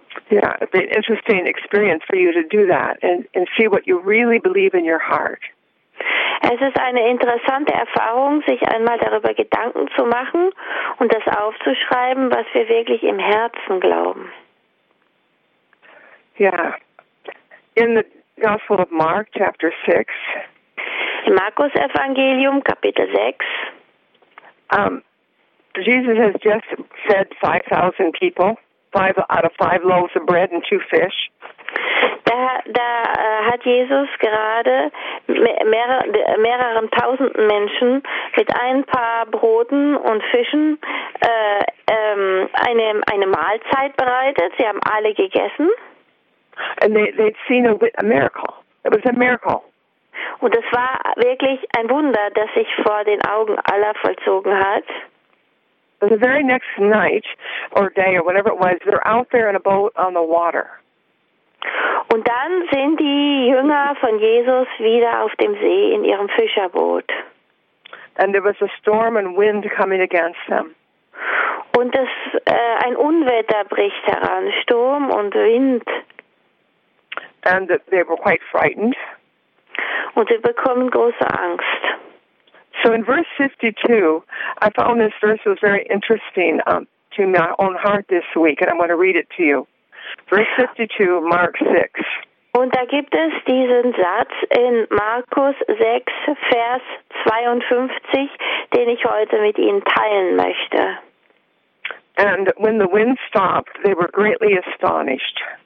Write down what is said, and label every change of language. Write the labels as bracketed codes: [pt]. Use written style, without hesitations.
[en] Yeah, it'd be an interesting experience for you to do that and see what you really believe in your heart. [de] Es ist eine interessante Erfahrung, sich einmal darüber Gedanken zu machen und das aufzuschreiben, was wir wirklich im Herzen glauben. [en] Ja. Yeah. In the Gospel of Mark, chapter 6. [de] Im Markus Evangelium, Kapitel 6. [en] Jesus has just fed 5,000 people, 5 out of 5 loaves of bread and 2 fish. [de] Da hat Jesus gerade mehreren tausenden Menschen mit ein paar Broten und Fischen eine Mahlzeit bereitet. Sie haben alle gegessen. [en] And they'd seen a miracle. It was a miracle. [de] Und es war wirklich ein Wunder, das sich vor den Augen aller vollzogen hat. [en] But the very next night or day or whatever it was, they're out there in a boat on the water. [de] Und dann sind die Jünger von Jesus wieder auf dem See in ihrem Fischerboot. [en] And there was a storm and wind coming against them. [de] Und das, ein Unwetter bricht heran, Sturm und Wind. [en] And they were quite frightened. [de] Und sie bekommen große Angst. [en] So in verse 52, I found this verse was very interesting to my own heart this week, and I'm going to read it to you. Verse 52, Mark 6. [de] Und da gibt es diesen Satz in Markus 6, Vers 52, den ich heute mit Ihnen teilen möchte. [en] And when the wind stopped, they were greatly astonished.